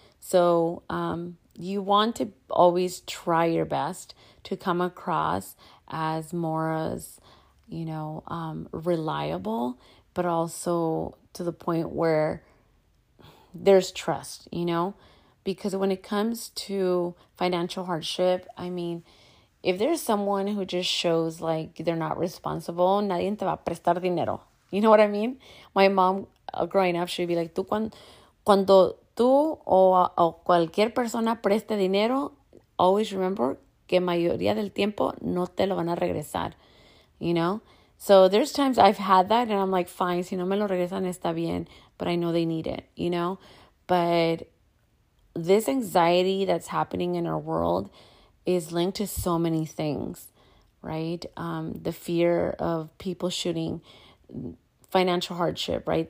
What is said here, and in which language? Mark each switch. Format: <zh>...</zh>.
<en>So you want to always try your best to come across as more as, you know, reliable, but also to the point where there's trust, you know? Because when it comes to financial hardship, I mean, if there's someone who just shows like they're not responsible,</en> <es>nadie te va a prestar dinero.</es> <en>You know what I mean? My mom, growing up, she'd be like,</en> <es>cuando tú o cualquier persona preste dinero,</es> <en>always remember</en> <es>que mayoría del tiempo no te lo van a regresar.</es> <en>You know? So there's times I've had that and I'm like, fine,</en> <es>si no me lo regresan, está bien.</es> <en>But I know they need it, you know? But this anxiety that's happening in our world is linked to so many things, right? The fear of people shooting, financial hardship, right?</en>